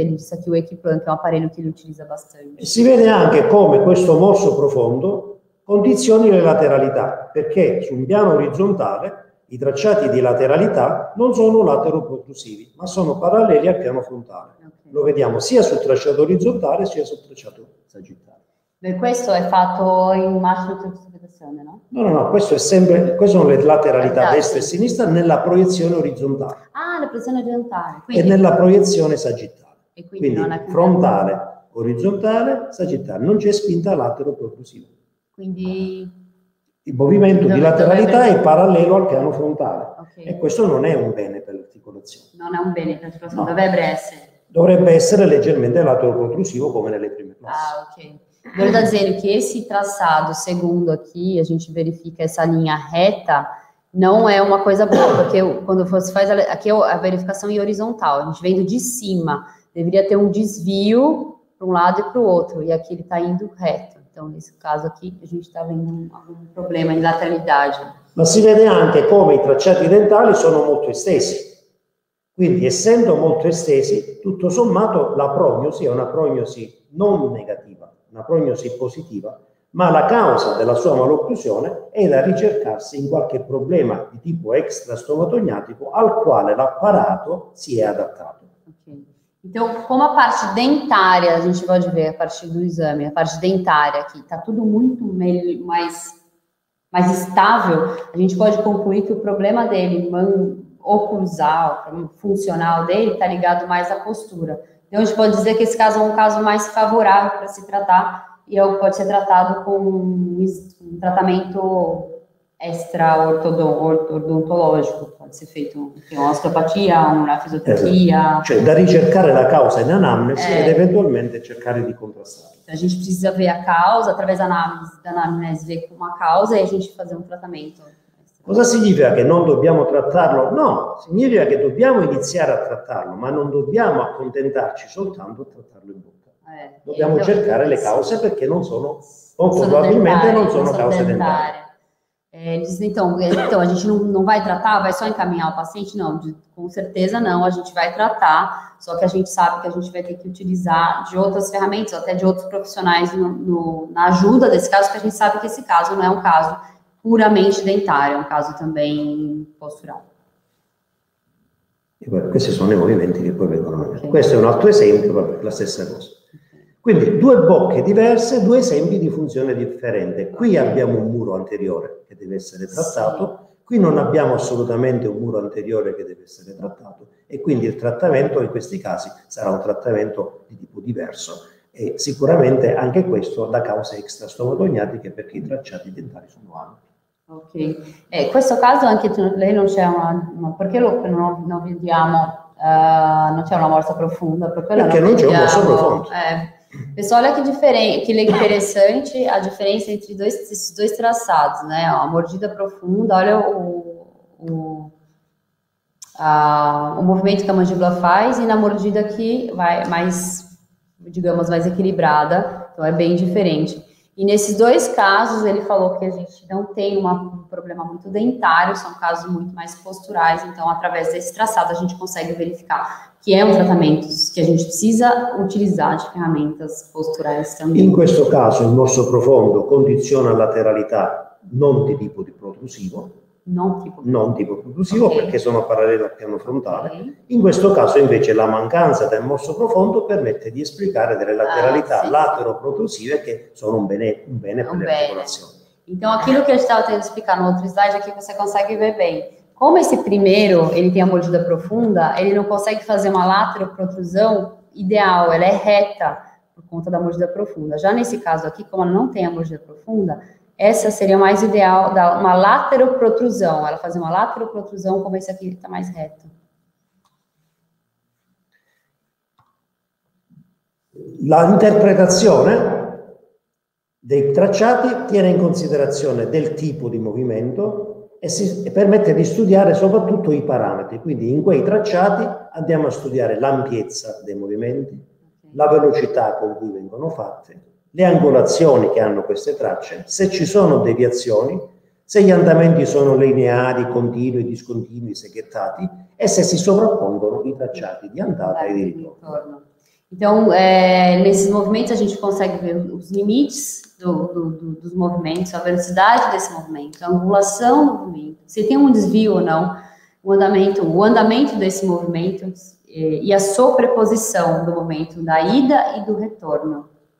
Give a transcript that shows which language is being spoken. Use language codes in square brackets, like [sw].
[pt] Ele disse aqui o Equiplan, que é um aparelho que ele utiliza bastante. [it] E se vede anche come questo morso profondo condizioni le lateralità, perché su un piano orizzontale i tracciati di lateralità non sono lateroprotrusivi, ma sono paralleli al piano frontale. Okay. Lo vediamo sia sul tracciato orizzontale sia sul tracciato sagittale. E questo è fatto in massima interpretazione, no? No, questo è sempre, queste sono le lateralità destra e sinistra nella proiezione orizzontale. Ah, la proiezione orizzontale. Quindi... E nella proiezione sagittale. E quindi non è frontale, più... orizzontale, sagittale. Non c'è spinta lateroprotrusiva. Quindi il movimento di lateralità è parallelo al piano frontale. Okay. E questo non è un bene per l'articolazione. Non è un bene per l'articolazione, no. Dovrebbe essere. Dovrebbe essere leggermente lateroprotrusivo come nelle prime classi. Ah, ok. Vuol dire che [pt] esse traçado, [it] secondo qui, [pt] a gente verifica essa linha reta, [it] non è una cosa [pt] boa, perché quando você faz aqui a verificação in horizontal, a gente vendo di cima, deveria ter un desvio para lado e para outro, e aqui ele tá indo reto. Então, nesse caso aqui, a gente está vendo algum problema em lateralidade. [it] Mas se vede anche como i tracciati dentali sono molto estesi. Quindi, essendo molto estesi, tutto sommato, la prognosi è una prognosi non negativa, una prognosi positiva, ma la causa della sua malocclusione è da ricercarsi in qualche problema di tipo extrastomatognatico al quale l'apparato si è adattato. [pt] Então, como a parte dentária, a gente pode ver a partir do exame, a parte dentária aqui, está tudo muito mais estável, a gente pode concluir que o problema dele, oclusal, funcional dele, está ligado mais à postura. Então, a gente pode dizer que esse caso é um caso mais favorável para se tratar e pode ser tratado com um tratamento extra-ortodontologico, [it] può essere fatto una osteopatia, una fisioterapia. Cioè, da ricercare la causa in anamnesi ed eventualmente cercare di contrastare. [pt] A gente precisa [it] vedere la causa, attraverso l'anamnesi, vedere una causa [pt] e a gente [it] fare un trattamento. Cosa significa che non dobbiamo trattarlo? No, significa che dobbiamo iniziare a trattarlo, ma non dobbiamo accontentarci soltanto a trattarlo in bocca. Dobbiamo cercare le cause perché non sono, probabilmente non sono cause dentarie. [pt] Ele diz, então a gente não vai tratar, vai só encaminhar o paciente? Não, com certeza não, a gente vai tratar, só que a gente sabe que a gente vai ter que utilizar de outras ferramentas, até de outros profissionais na ajuda desse caso, porque a gente sabe que esse caso não é um caso puramente dentário, é um caso também postural. [it] E poi, questi sono i movimenti che poi vengono. Okay. Questo è un altro esempio, la stessa cosa. Quindi due bocche diverse, due esempi di funzione differente. Qui abbiamo un muro anteriore che deve essere trattato, qui non abbiamo assolutamente un muro anteriore che deve essere trattato e quindi il trattamento in questi casi sarà un trattamento di tipo diverso e sicuramente anche questo da cause extrastomatognatiche perché i tracciati dentali sono ampi. Ok, questo caso anche tu, lei non c'è una... perché non vediamo... non c'è una morsa profonda? Perché non c'è un morso profondo. [pt] Pessoal, olha que interessante a diferença entre esses dois traçados, né? Ó, a mordida profunda, olha o movimento que a mandíbula faz e na mordida que vai mais, digamos, mais equilibrada. Então, é bem diferente. E nesses dois casos, ele falou que a gente não tem um problema muito dentário, são casos muito mais posturais. Então, através desse traçado, a gente consegue verificar que é um tratamento que a gente precisa utilizar de ferramentas posturais também. [it] In questo caso, il morso profondo condiziona lateralità non di tipo di protrusivo, non tipo conclusivo, okay, perché sono parallelo al piano frontale. Okay. In questo caso invece la mancanza del morso profondo permette di esplicare delle lateralità lateroprotrusive che sono un bene per le articolazioni. [pt] Então, aquilo que a gente estava tentando explicar no outro slide é que você consegue ver bem. Como esse primeiro, ele tem a mordida profunda, ele não consegue fazer uma lateroprotrusão ideal, ela é reta por conta da mordida profunda. Já nesse caso aqui, como ela não tem a mordida profunda, essa seria mais ideal, dar uma lateroprotrusão. Ela fazer uma lateroprotrusão como esse aqui, que está mais reto. [it] La interpretazione dei tracciati tiene in considerazione del tipo di movimento e permette di studiare soprattutto i parametri. Quindi in quei tracciati andiamo a studiare l'ampiezza dei movimenti, la velocità con cui vengono fatte, le angolazioni che hanno queste tracce, se ci sono deviazioni, se gli andamenti sono lineari, continui, discontinui, seghettati e se si sovrappongono i tracciati di andata e di ritorno. [pt] Então, nesses movimentos a gente consegue ver os limites dos movimentos, a velocidade desse movimento, a angulação do movimento, se tem um desvio ou não, o andamento desse movimento e a sobreposição do movimento da ida e do retorno.